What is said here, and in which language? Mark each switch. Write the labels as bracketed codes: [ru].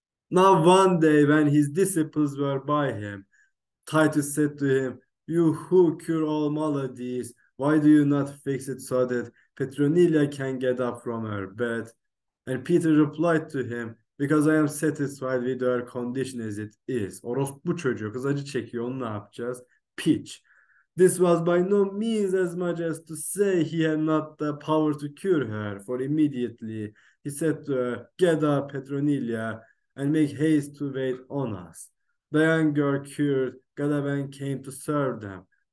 [en] Now one day when his disciples were by him, Titus said to him, "You who cure all maladies, why do you not fix it so that Petronilla can get up from her bed?" And Peter replied to him, "Because I am satisfied with her condition as it is." [tr] Orospu çocuğu, kız acı çekiyor, onu ne yapacağız? Piç. [en] This was by no means as much as to say he had not the power to cure her, for immediately he said to her, "Get up, Petronilla, and make haste to wait on us. The young girl cured, Gadaben came to serve them."